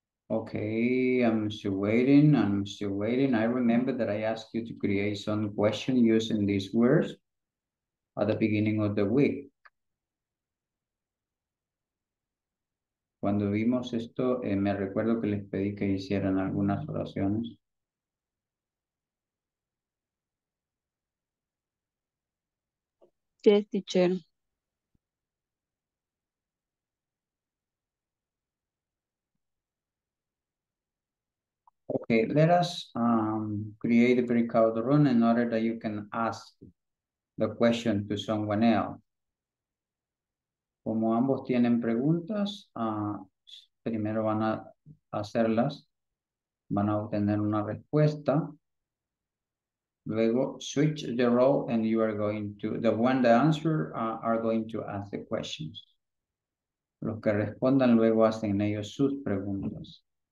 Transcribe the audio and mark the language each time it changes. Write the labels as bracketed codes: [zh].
[en] Okay, I'm still waiting. I remember that I asked you to create some question using these words at the beginning of the week. [es] Cuando vimos esto, me recuerdo que les pedí que hicieran algunas oraciones. [en] Yes, teacher. Okay, let us create a breakout room in order that you can ask the question to someone else. [es] Como ambos tienen preguntas, primero van a hacerlas, van a obtener una respuesta. [en] Luego, switch the role and you are going to, the one that answer are going to ask the questions. [es] Los que respondan luego hacen ellos sus preguntas.